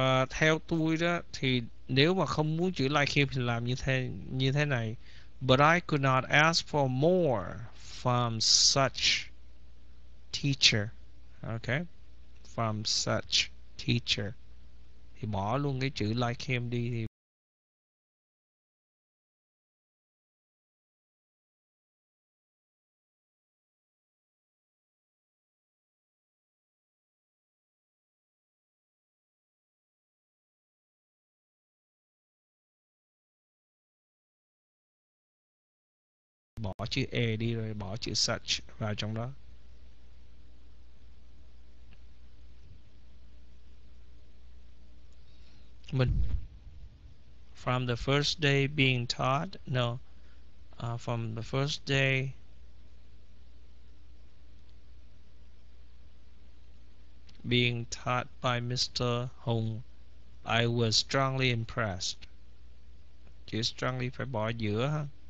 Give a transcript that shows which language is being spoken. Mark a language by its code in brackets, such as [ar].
[vi] Theo tôi đó thì nếu mà không muốn chữ like him thì làm như thế này. [en] But I could not ask for more from such teacher. Okay. From such teacher. [vi] Thì bỏ luôn cái chữ [en] like him [vi] đi thì bỏ chữ e đi rồi bỏ chữ such vào trong đó. [en] Mình from the first day being taught, no, from the first day being taught by Mr. Hung, I was strongly impressed. [vi] Chữ strongly phải bỏ giữa ha.